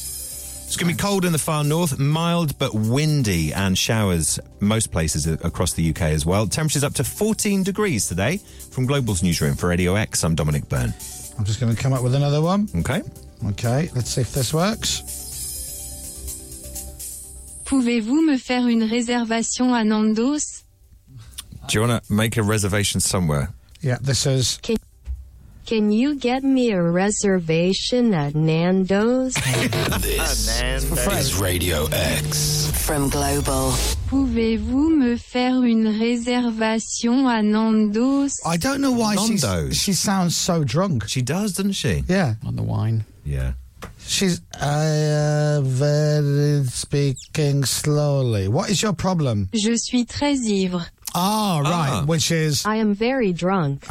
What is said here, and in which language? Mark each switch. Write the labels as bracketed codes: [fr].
[en] It's going to be cold in the far north, mild but windy, and showers most places across the UK as well. Temperatures up to 14 degrees today. From Global's newsroom for Radio X, I'm Dominic Byrne. I'm just going to come up with another one. Okay. Okay, let's see if this works. [fr] Pouvez-vous me faire une réservation à Nando's? [en] Do you want to make a reservation somewhere? Yeah, this is... Can you get me a reservation at Nando's? This is Radio X. From Global. [fr] Pouvez-vous me faire une réservation à Nando's? [en] I don't know why she sounds so drunk. She does, doesn't she? Yeah. On the wine. Yeah. She's very speaking slowly. What is your problem? [fr] Je suis très ivre. [en] Oh, right. Uh-huh. Which is? I am very drunk.